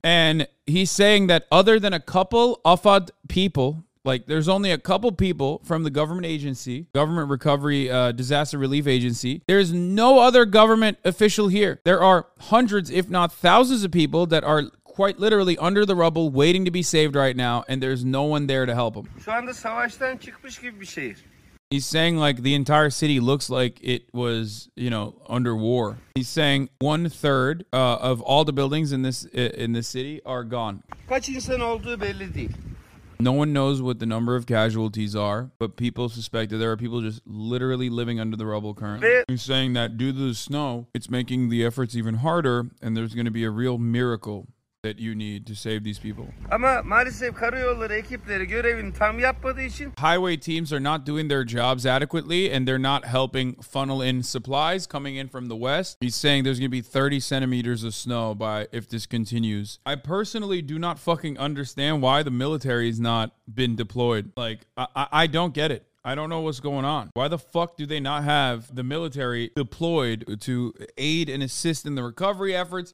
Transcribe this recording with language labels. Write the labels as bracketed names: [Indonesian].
[English] And he's saying that other than a couple Afad people, like there's only a couple people from the government agency, government recovery, disaster relief agency. There's no other government official here. There are hundreds, if not thousands of people that are quite literally under the rubble waiting to be saved right now. And there's no one there to help them. [Turkish] Şu anda savaştan çıkmış gibi bir şehir. [English] He's saying like the entire city looks like it was, you know, under war. He's saying 1/3 of all the buildings in this city are gone. [Turkish] Kaç insan olduğu belli değil. [English] No one knows what the number of casualties are, but people suspect that there are people just literally living under the rubble currently. He's saying that due to the snow, it's making the efforts even harder, and there's going to be a real miracle that you need to save these people. [Turkish] Ama maalesef karayolları ekipleri görevini tam yapmadığı için [English] highway teams are not doing their jobs adequately, and they're not helping funnel in supplies coming in from the west. He's saying there's going to be 30 centimeters of snow by if this continues. I personally do not fucking understand why the military has not been deployed. Like I don't get it. I don't know what's going on. Why the fuck do they not have the military deployed to aid and assist in the recovery efforts?